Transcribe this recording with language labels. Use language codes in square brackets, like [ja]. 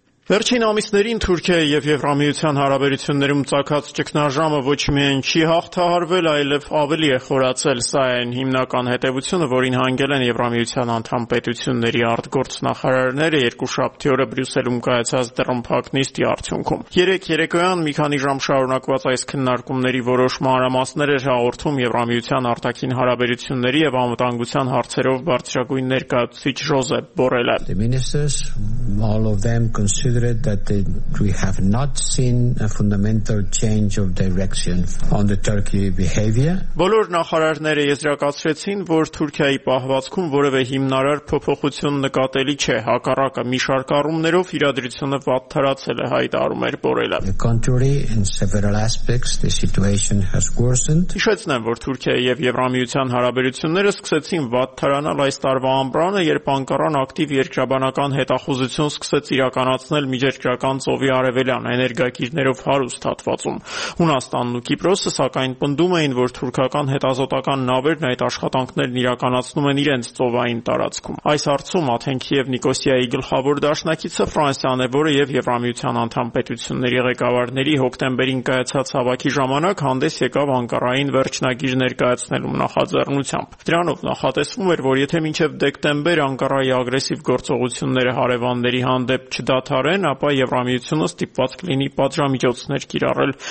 [hy] Վերջին ամիսներին Թուրքիայի և Եվրամիության հարաբերություններում ծագած ճգնաժամը ոչ միայն չի հաղթահարվել, այլև ավելի է խորացել, սա այն հիմնական հետևությունը, որին հանգել են Եվրամիության անդամ պետությունների արտգործնախարարները երկու շաբթի օրը Բրյուսելում կայացած դռնփակ նիստի արդյունքում։ 3-3-ին մի քանի ժամ շարունակված այս քննարկումների որոշման արամասներ էր հաղորդում Եվրամիության արտաքին հարաբերությունների և անվտանգության հարցերով բարձրագույն ներկայացուցիչ Ժոզեփ Բորելը։ [en] The ministers, all of them consider considered that we have not seen a fundamental change of direction on the Turkey behavior. [hy] Բոլոր նախարարները եզրակացրեցին, որ Թուրքիայի պահվածքում որևէ հիմնարար փոփոխություն նկատելի չէ։ Հակառակը մի շարք առումներով իրադրությունը վատթարացել է, հայտարարում էր Բորելը։ [en] The country in several aspects the situation has worsened. [hy] Իշեցնեմ, որ Թուրքիայի եւ Եվրամիության հարաբերությունները սկսեցին վատթարանալ այս տարվա ամռանը, երբ Անկարան ակտիվ երկրաբանական հետախուզություն սկսեց իրականացնել միջերկրական ծովի արևելյան էներգակիրներով հարուստ հատվածում։ Հունաստանն ու Կիպրոսը սակայն պնդում էին, որ թուրքական հետազոտական նավերն այդ աշխատանքներն իրականացնում են իրենց ծովային տարածքում։ Այս հարցում Աթենքի և Նիկոսիայի գլխավոր դաշնակիցը Ֆրանսիան է, որը և Եվրամիության անդամ պետությունների ղեկավարների հոկտեմբերին կայացած հավաքի ժամանակ հանդես եկավ Անկարային վերջնագիր ներկայացնելու նախաձեռնությամբ։ Դրանով նախատեսվում էր, որ եթե մինչև դեկտեմբեր Անկարայի ագրեսիվ գործողությունները հարևանների հանդեպ չդադարեն, ապա Եվրամիությունը ստիպված կլինի պատժամիջոցներ կիրառել